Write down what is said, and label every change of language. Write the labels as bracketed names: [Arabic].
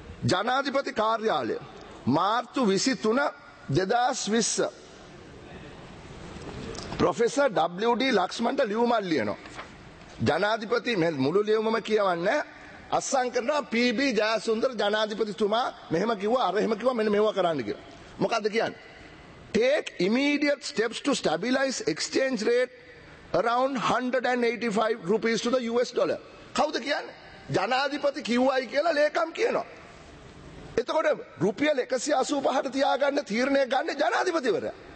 [Sinhala] ජනාධිපති කාර්යාලය මාර්තු 23, 2020 ප්‍රොෆෙසර් WD ලක්ෂ්මන්ට ලියුමක් ලියනවා. ජනාධිපති මුළු ලියුමම කියවන්නේ අස්සම් කරනවා. PB ජයසුන්දර ජනාධිපතිතුමා මෙහෙම කිව්වා, අර එහෙම කිව්වා, මෙන්න මේවා කරන්න කියලා. මොකද්ද කියන්නේ? [English] Take immediate steps to stabilize exchange rate around 185 rupees to the US dollar. [Sinhala] කවුද කියන්නේ? ජනාධිපති කිව්වයි කියලා ලේකම් කියනවා. එතකොට රුපියල් 185ට තියාගන්න තීරණය ගන්න ජනාධිපතිවරයා.